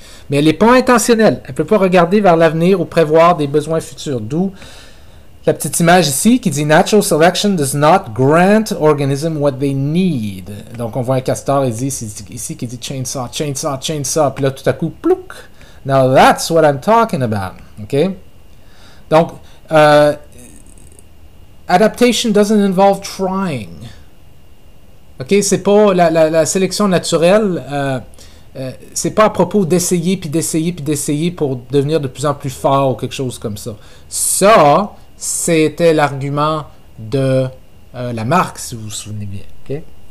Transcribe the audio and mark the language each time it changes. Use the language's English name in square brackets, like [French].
[French] Mais elle n'est pas intentionnelle. Elle ne peut pas regarder vers l'avenir ou prévoir des besoins futurs. D'où la petite image ici qui dit « [English] Natural selection does not grant organism what they need. [French] » Donc, on voit un castor ici qui dit « [English] Chainsaw, chainsaw, chainsaw. [French] » Puis là, tout à coup, plouc! [English] « Now that's what I'm talking about. » OK? Donc, adaptation doesn't involve trying. OK? [French] C'est pas la sélection naturelle. C'est pas à propos d'essayer, puis d'essayer, puis d'essayer pour devenir de plus en plus fort ou quelque chose comme ça. Ça, c'était l'argument de Lamarck, si vous vous souvenez bien. Okay?